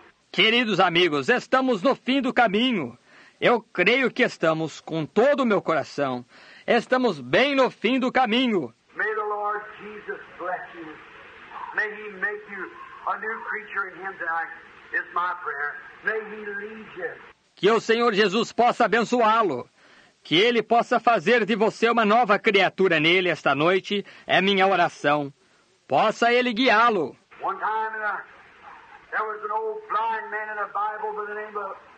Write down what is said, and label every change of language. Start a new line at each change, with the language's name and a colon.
Portuguese: Queridos amigos, estamos no fim do caminho. Eu creio que estamos com todo o meu coração. Estamos bem no fim do caminho.
English: May the Lord Jesus bless you. May He make you a new creature in Him tonight. It's my prayer. May He lead you.
Portuguese: Que o Senhor Jesus possa abençoá-lo. Que Ele possa fazer de você uma nova criatura nele esta noite. É minha oração. Possa Ele guiá-lo.
English: One time there was an old blind man in a Bible by the name of